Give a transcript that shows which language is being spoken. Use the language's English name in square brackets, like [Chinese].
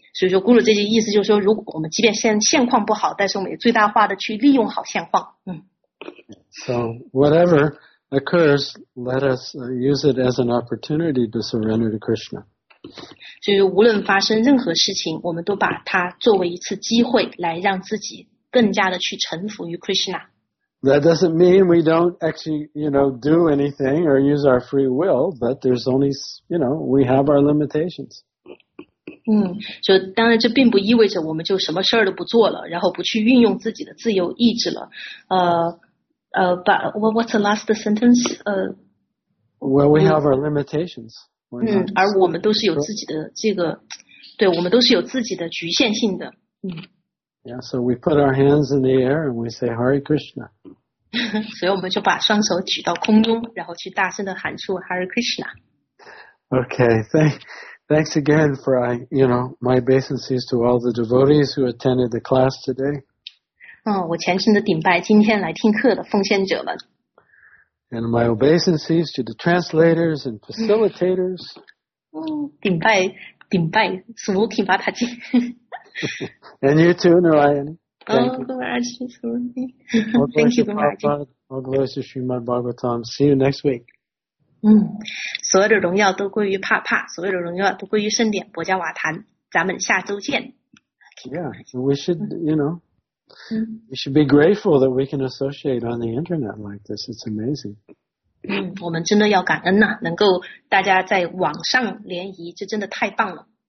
[Chinese] 所以说咕噜这句意思就是说，如果我们即便现况不好，但是我们也最大化的去利用好现况。 [English] So whatever occurs, let us use it as an opportunity to surrender to Krishna. [Chinese] 就是无论发生任何事情，我们都把它作为一次机会来让自己更加的去臣服于 Krishna. [English] That doesn't mean we don't actually, you know, do anything or use our free will, but there's only, you know, we have our limitations. [Chinese] 就当然这并不意味着我们就什么事儿都不做了，然后不去运用自己的自由意志了。 [English] But what's the last sentence? Well, we have our limitations. [Chinese] 而我们都是有自己的这个，对，我们都是有自己的局限性的。 [English] Yeah, so we put our hands in the air and we say Hare Krishna. [Chinese] 所以我们就把双手举到空中，然后去大声的喊出 Hare Krishna. [English] Okay, thanks again for my obeisances to all the devotees who attended the class today. [Chinese] 我虔诚的顶拜今天来听课的奉献者们。 [English] And my obeisances to the translators and facilitators. [Chinese] 顶拜 Smoking Bata Ji. [English] And you too, Narayan. Thank you, Maharaj. All glories to Srimad Bhagavatam. See you next week. [Chinese] 所有的荣耀都归于帕帕，所有的荣耀都归于圣典博加瓦坛。咱们下周见。 [English] Yeah, we should, you know, we should be grateful that we can associate on the internet like this. It's amazing. [Chinese] 我们真的要感恩呐，能够大家在网上联谊，这真的太棒了。